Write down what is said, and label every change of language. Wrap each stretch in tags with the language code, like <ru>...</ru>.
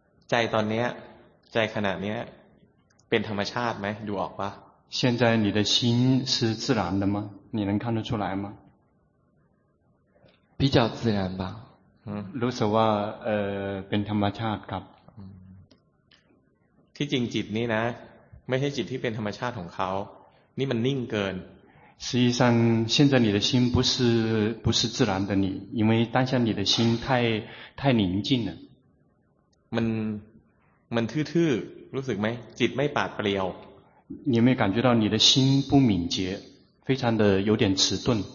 <th>ใจตอนนี้ใจขนาดนี้เป็นธรรมชาติไหมดูออกปะ</th> <zh>现在你的心是自然的吗你能看得出来吗比较自然吧</zh> <th>รู้สึกว่าเป็นธรรมชาติครับ ที่จริงจิตนี้นะไม่ใช่จิตที่เป็นธรรมชาติของเขานี่มันนิ่งเกิน 实际上现在你的心不是自然的你因为当下你的心太宁静了 มันทื่อๆรู้สึกไหมจิตไม่ปราดเปรียว 你有没有感觉到你的心不敏捷非常的有点迟钝</th>